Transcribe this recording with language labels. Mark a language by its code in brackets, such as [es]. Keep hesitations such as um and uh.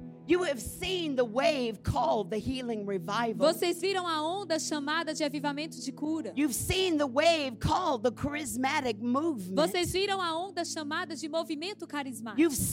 [en] You have seen the wave called the healing revival. [pt] Vocês viram a onda chamada de avivamento de cura. [en] You've seen the wave called the charismatic movement. [pt] Vocês viram a onda chamada de movimento carismático.